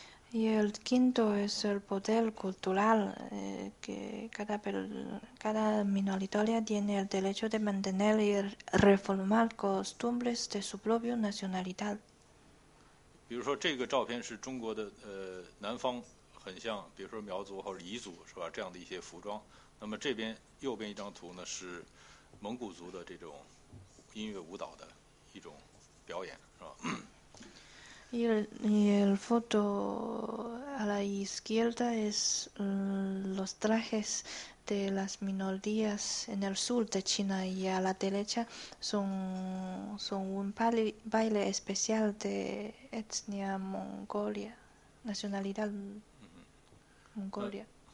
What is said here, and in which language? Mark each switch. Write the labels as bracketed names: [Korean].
[Spanish] Y el quinto es el poder cultural, que cada minoritaria tiene el derecho de mantener y reformar costumbres de su propia nacionalidad. [Chinese] 比如说这个照片是中国的南方很像，比如说苗族或者彝族是吧，这样的一些服装。那么这边右边一张图呢，是蒙古族的这种音乐舞蹈的一种表演，是吧？ [Spanish] Y el foto a la izquierda es los trajes de las minorías en el sur de China y a la derecha son un baile especial de etnia mongolia, nacionalidad mongolia.